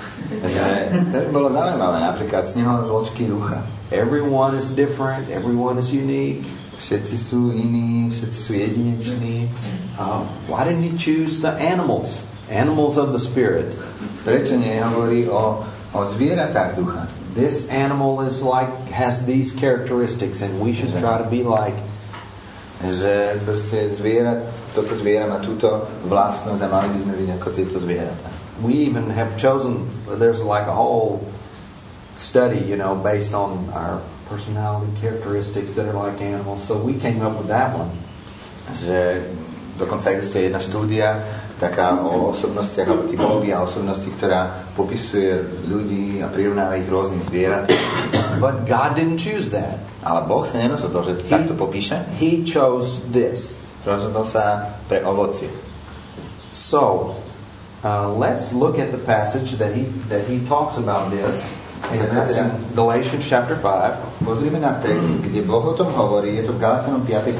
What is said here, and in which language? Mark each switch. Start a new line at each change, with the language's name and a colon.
Slovak: To by bolo zaujímavé, napríklad snehové vločky ducha.
English: Everyone is different, everyone is unique.
Slovak: Všetci sú iní, všetci sú jedineční.
English: Why didn't he choose the animals? Animals of the Spirit.
Slovak: Prečo nie hovorí o zvieratách ducha?
English: This animal is like, has these characteristics and we should try to be like.
Slovak: Že proste toto zviera má túto vlastnosť a mali by sme byť ako tieto zvieratá.
English: We even have chosen, there's like a whole study, you know, based on our personality characteristics that are like animals. So we came up with that one.
Slovak: Že dokonca existuje jedna štúdia, taká o osobnostiach, alebo typológia osobnosti, ktorá popisuje ľudí a prirovnáva ich rôznym zvieratám.
English: But God didn't choose that.
Slovak: Ale Boh sa nerozhodol, že to takto popíše.
English: He chose this.
Slovak: Rozhodol sa pre ovocie.
English: So, Let's look at the passage that he talks about this. And that's in Galatians chapter 5.
Slovak: Pozrime na text, kde Boh o tom hovorí, je to v Galatianom 5.